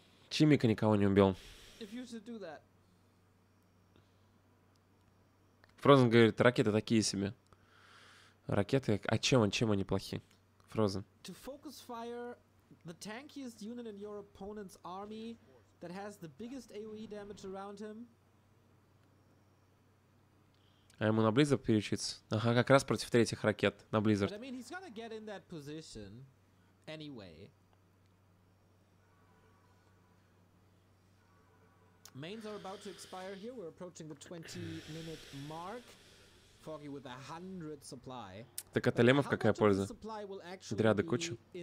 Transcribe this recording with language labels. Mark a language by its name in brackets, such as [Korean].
[Russian] Чимика никого не убил. Фрозен говорит, ракеты такие себе. Ракеты? А чем они плохи? Фрозен. [English] To focus fire the tankiest unit in your opponent's army that has the biggest AoE damage around him. [Russian] А ему на Blizzard переучиться? Ага, как раз против третьих ракет на Blizzard. [English] But, I mean, he's gonna get in that position anyway. Mains are about to expire here. We're approaching the 20-minute mark. Foggy with 100 supply. [Russian] Так это лемов какая польза? Дряды кучу.